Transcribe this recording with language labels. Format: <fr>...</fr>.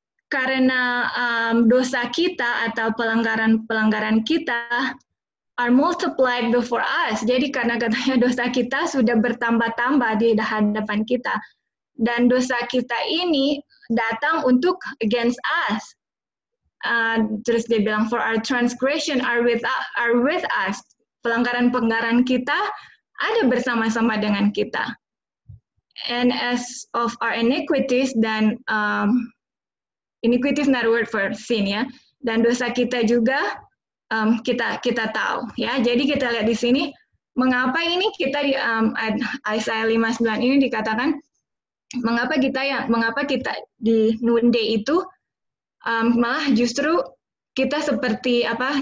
<id>Karena dosa kita atau pelanggaran-pelanggaran kita</id> <en>are multiplied before us.</en> <id>Jadi karena katanya dosa kita sudah bertambah-tambah di hadapan kita. Dan dosa kita ini datang untuk</id> <en>against us.</en> <id>Terus dia bilang,</id> <en>for our transgression are with us.</en> <id>Pelanggaran-pelanggaran kita ada bersama-sama dengan kita.</id> <en>And as of our iniquities, dan iniquity is not a word for sin, ya.</en> <id>Dan dosa kita juga kita tahu, ya. Jadi kita lihat di sini, mengapa ini kita di Isaiah 59 ini dikatakan, mengapa kita di noonday itu malah justru kita seperti apa?</id>